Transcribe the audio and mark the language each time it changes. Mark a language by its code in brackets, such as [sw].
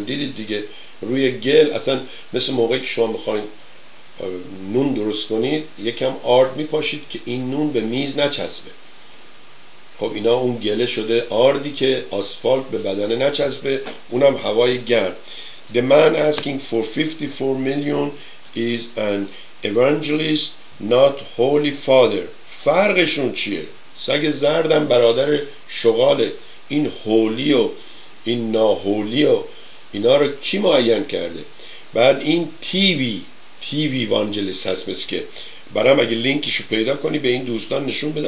[fa] دیدید دیگه روی گل اصلا مثل موقعی که شما میخواین نون درست کنید یکم آرد میپاشید که این نون به میز نچسبه. خب اینا اون گله شده آردی که آسفالت به بدنه نچسبه، اونم هوای گرم. [en] The man asking for 54 million is an evangelist not holy father. [fa] فرقشون چیه؟ سگ زردم برادر شغاله. این هولی و این ناهولی و اینا رو کی معین کرده؟ بعد این تیوی وانجلس هست مثل که برام اگه لینکشو پیدا کنی به این دوستان نشون بده.